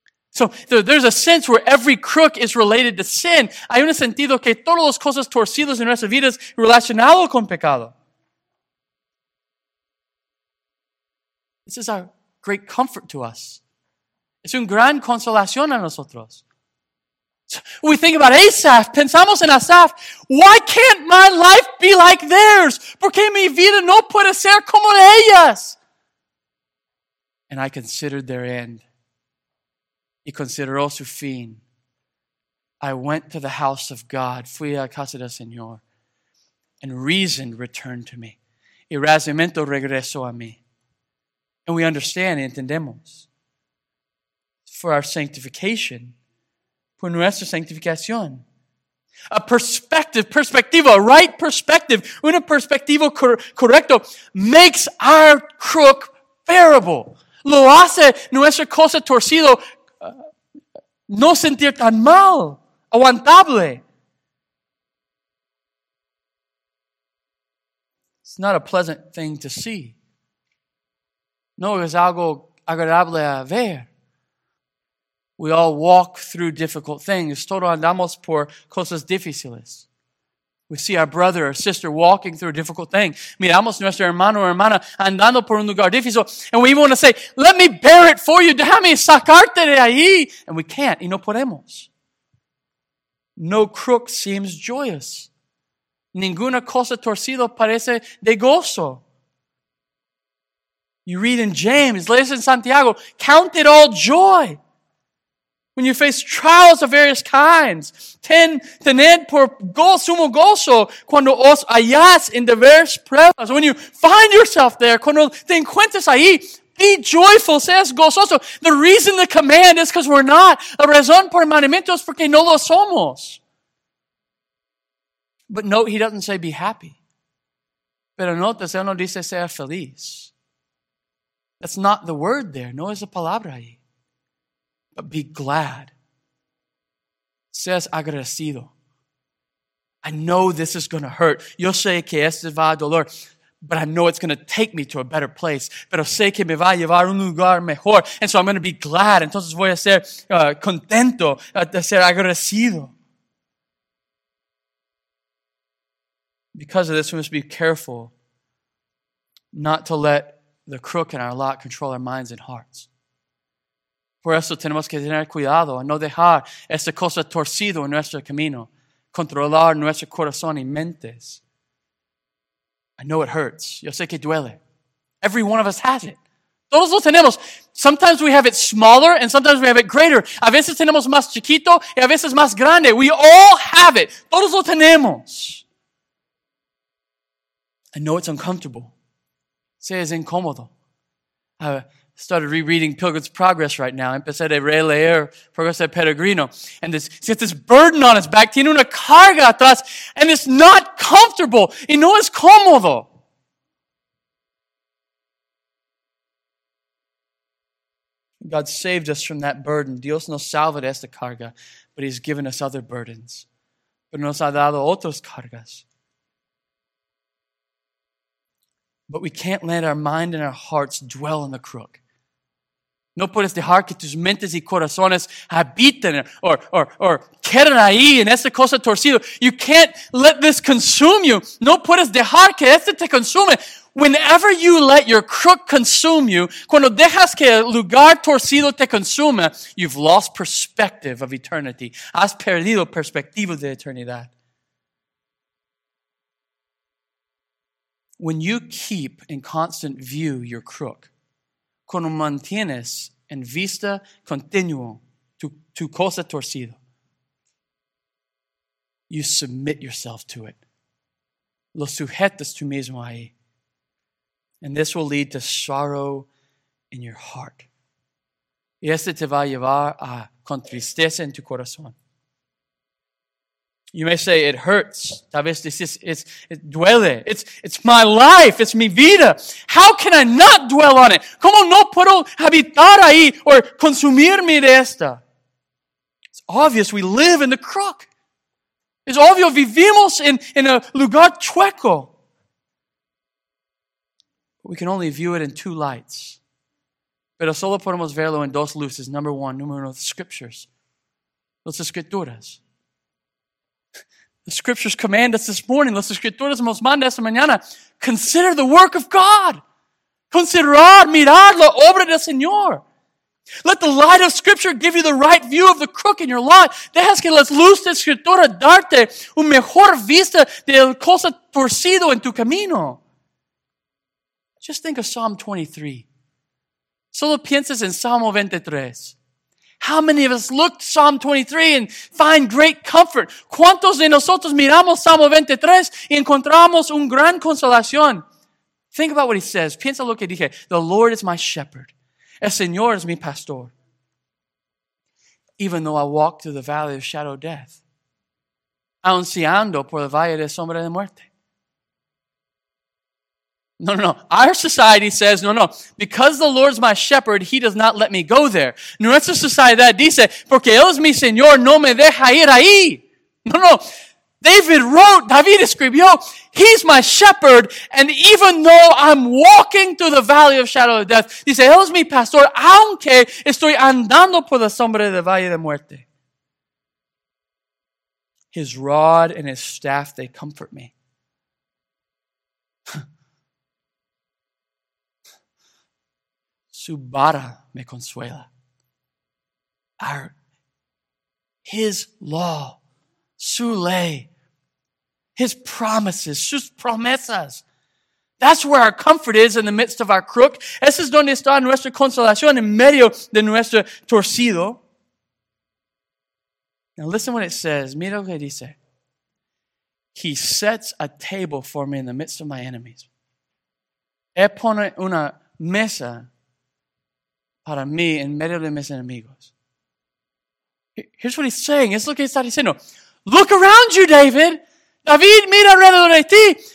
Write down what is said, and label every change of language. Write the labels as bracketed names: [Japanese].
[English] So there's a sense where every crook is related to sin. [Spanish] Hay un sentido que todas las cosas torcidas en nuestras vidas relacionadas con pecado. [English] This is a great comfort to us. [Spanish] Es una gran consolación a nosotros. [English] We think about Asaph, [Spanish] pensamos en Asaph. [English] Why can't my life be like theirs? [Spanish] ¿Por qué mi vida no puede ser como de ellas? [English] And I considered their end. [Spanish] Y consideró su fin. [English] I went to the house of God. [Spanish] Fui a casa del Señor. [English] And reason returned to me. [Spanish] Y razonamiento regresó a mí. [English] And we understand [Spanish] y entendemos. [English] For our sanctification. [Spanish] Por nuestra santificación. [English] A perspective, perspectiva, right perspective. [Spanish] Una perspectiva correcto [English] makes our crook bearable. [Spanish] Lo hace nuestra cosa torcido no sentir tan mal, aguantable. [English] It's not a pleasant thing to see. [Spanish] No es algo agradable a ver. [English] We all walk through difficult things. [Spanish] Todos andamos por cosas difíciles. [English] We see our brother or sister walking through a difficult thing. [Spanish] Miramos nuestro hermano o hermana andando por un lugar difícil. [English] And we even want to say, let me bear it for you. [Spanish] Déjame sacarte de ahí. [English] And we can't. [Spanish] Y no podemos. [English] No crook seems joyous. [Spanish] Ninguna cosa torcida parece de gozo. [English] You read in James, [Spanish] lees en Santiago, [English] count it all joy. When you face trials of various kinds, [Spanish] tened por sumo gozo cuando os hallás en diversas pruebas. [English] When you find yourself there, [Spanish] cuando te encuentres ahí, [English] be joyful, [Spanish] seas gozoso. [English] The reason the command is because we're not. [Spanish] La razón por el mandamiento es porque no lo somos. [English] But note, he doesn't say be happy. [Spanish] Pero note, él no dice sea feliz. [English] That's not the word there. [Spanish] No es la palabra ahí. [English] But be glad. [Spanish] Seas agradecido. [English] I know this is going to hurt. [Spanish] Yo sé que este va a doler. [English] But I know it's going to take me to a better place. [Spanish] Pero sé que me va a llevar a un lugar mejor. [English] And so I'm going to be glad. [Spanish] Entonces voy a ser contento de ser agradecido. [English] Because of this, we must be careful not to let the crook in our lot control our minds and hearts. [Spanish] Por eso tenemos que tener cuidado a no dejar esta cosa torcida en nuestro camino, controlar nuestro corazón y mentes. [English] I know it hurts. [Spanish] Yo sé que duele. [English] Every one of us has it. [Spanish] Todos lo tenemos. [English] Sometimes we have it smaller and sometimes we have it greater. [Spanish] A veces tenemos más chiquito y a veces más grande. [English] We all have it. [Spanish] Todos lo tenemos. [English] I know it's uncomfortable. [Spanish] Sé es incómodo. [English] Started rereading Pilgrim's Progress right now. [Spanish] Empecé a releer Progreso del Peregrino. [English] And it's got this burden on its back. [Spanish] Tiene una carga atrás. [English] And it's not comfortable. [Spanish] Y no es cómodo. [English] God saved us from that burden. [Spanish] Dios nos salva de esta carga. [English] But he's given us other burdens. [Spanish] Pero nos ha dado otras cargas. [English] But we can't let our mind and our hearts dwell in the crook. [Spanish] No puedes dejar que tus mentes y corazones habiten or queden ahí en esta cosa torcida. [English] You can't let this consume you. [Spanish] No puedes dejar que este te consume. [English] whenever you let your crook consume you, [Spanish] cuando dejas que el lugar torcido te consuma, [English] you've lost perspective of eternity. [Spanish] Has perdido perspectiva de eternidad. [English] When you keep in constant view your crook, [Spanish] cuando mantienes en vista continuo tu cosa torcida, [English] you submit yourself to it. [Spanish] Lo sujetas tú mismo ahí. [English] And this will lead to sorrow in your heart. [Spanish] Y este te va a llevar a con tristeza en tu corazón. [English] You may say, it hurts. [Spanish] Tal vez dices, [English] it duele. It's my life. It's [Spanish] mi vida. [English] How can I not dwell on it? [Spanish] ¿Cómo no puedo habitar ahí o consumirme de esta? [English] It's obvious we live in the crook. [Spanish] Es obvio, vivimos en un lugar chueco. [English] We can only view it in two lights. [Spanish] Pero solo podemos verlo en dos luces. [English] Number one, [Spanish] número uno, [English] the scriptures. [Spanish] Las escrituras. [English] The scriptures command us this morning. [Spanish] Las escrituras nos manda esta mañana. [English] Consider the work of God. [Spanish] Considerar, mirar la obra del Señor. [English] Let the light of scripture give you the right view of the crook in your life. [Spanish] Dejas que la luz de escritura darte un mejor vista del cosa torcido en tu camino. [English] Just think of Psalm 23. [Spanish] Solo piensas en Salmo 23. [English] How many of us look Psalm 23 and find great comfort? [Spanish] ¿Cuántos de nosotros miramos Salmo 23 y encontramos un gran consolación? [English] Think about what he says. [Spanish] Piensa lo que dije. [English] The Lord is my shepherd. [Spanish] El Señor es mi pastor. [English] Even though I walk through the valley of shadow death, [Spanish] aun si ando por el valle de sombra de muerte. [English] No. Our society says, no. Because the Lord's my shepherd, he does not let me go there. [Spanish] Nuestra sociedad dice, porque Él es mi Señor, no me deja ir ahí. No. David escribió, [English] he's my shepherd, and even though I'm walking through the valley of shadow of death, [Spanish] dice, Él es mi pastor, aunque estoy andando por la sombra del valle de muerte. [English] His rod and his staff, they comfort me. [Spanish] Su vara me consuela. [English] His law, [Spanish] su ley, [English] his promises, [Spanish] sus promesas. [English] That's where our comfort is in the midst of our crook. [Spanish] Ese es donde está nuestra consolación en medio de nuestro torcido. [English] Now listen what it says. [Spanish] Mira lo que dice. [English] He sets a table for me in the midst of my enemies. [Spanish] Él pone una mesa para mí, en medio de mis enemigos. [English] Here's what he's saying. [Spanish] Es lo que está diciendo. [English] Look around you, David. [Spanish] David, mira alrededor de ti.